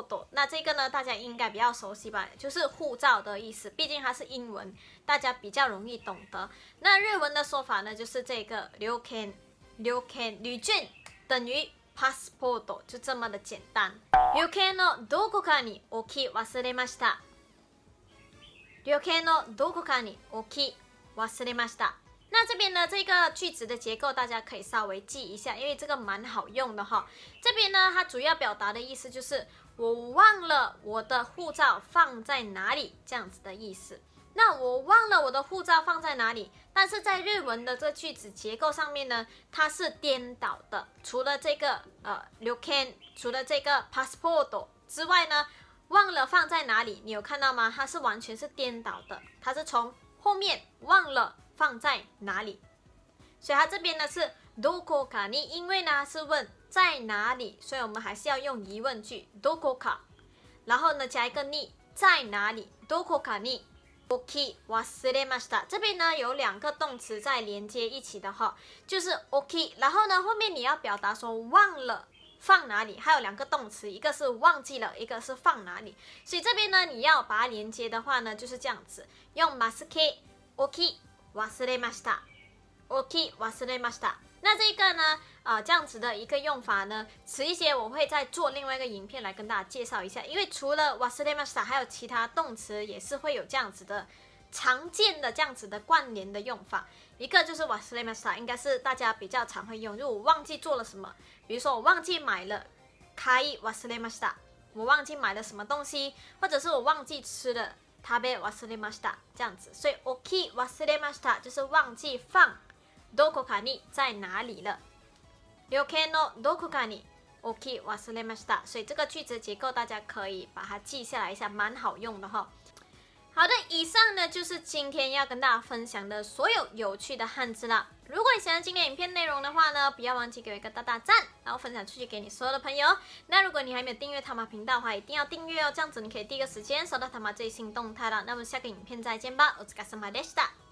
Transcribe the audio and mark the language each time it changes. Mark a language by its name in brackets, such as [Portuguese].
[Chinese] 那这个呢，大家应该比较熟悉吧，就是护照的意思，毕竟它是英文，大家比较容易懂得。那日文的说法呢，就是这个旅券旅券等于 passport， 就这么的简单。 [Japanese] 旅券のどこかに置き忘れました。旅券のどこかに置き忘れました。 [Chinese] 那这边呢，这个句子的结构大家可以稍微记一下，因为这个蛮好用的哈。这边呢，它主要表达的意思就是我忘了我的护照放在哪里，这样子的意思。那我忘了我的护照放在哪里，但是在日文的这句子结构上面呢，它是颠倒的。除了这个旅券，除了这个 passport 之外呢，忘了放在哪里，你有看到吗？它是完全是颠倒的，它是从后面忘了放在哪里。所以它这边呢是どこかに，因为呢是问在哪里，所以我们还是要用疑问句どこか，然后呢加一个に，在哪里。 [Japanese] どこかに置き忘れました。 [Chinese] 这边呢有两个动词在连接一起的哈，就是置き，然后呢后面你要表达说忘了放哪里，还有两个动词，一个是忘记了，一个是放哪里。所以这边呢你要把它连接的话呢，就是这样子，用ますけ [Japanese] 置き忘れました。置き忘れました。 [Chinese] 那这个呢，这样子的一个用法呢，迟一些我会再做另外一个影片来跟大家介绍一下。因为除了忘れました，还有其他动词也是会有这样子的常见的这样子的关联的用法。一个就是忘れました，应该是大家比较常会用。如果我忘记做了什么，比如说我忘记买了， [Japanese] 買い忘れました。 [Chinese] 我忘记买了什么东西，或者是我忘记吃了。 [Japanese] 食べ忘れました， [Chinese] 这样子。所以 [Japanese] 置き忘れました [Chinese] 就是忘记放 [Japanese] どこかに， [Chinese] 在哪里了。 [Japanese] 旅券のどこかに置き忘れました。 [Chinese] 所以这个句子结构大家可以把它记下来一下，蛮好用的哈。好的，以上呢就是今天要跟大家分享的所有有趣的汉字了。如果你喜欢今天影片内容的话呢，不要忘记给我一个大大赞，然后分享出去给你所有的朋友。那如果你还没有订阅塔玛频道的话，一定要订阅哦，这样子你可以第一个时间收到塔玛最新动态了。那么下个影片再见吧。 [Japanese] お疲れ様でした。